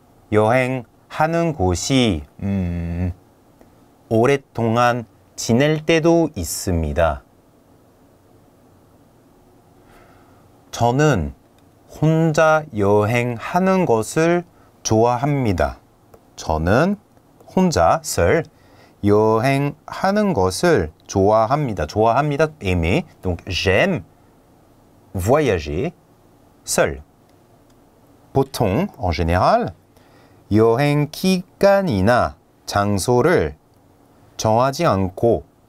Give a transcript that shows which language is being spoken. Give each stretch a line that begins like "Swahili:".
Korean: 여행하는 곳이 오랫동안 지낼 때도 있습니다. 저는 혼자 여행하는 것을 좋아합니다. 저는 혼자 seul 여행하는 것을 좋아합니다. 좋아합니다.
French: aimer. Donc j'aime voyager seul.
Korean: 보통
French: en général
Korean: 여행 기간이나 장소를 정하지 않고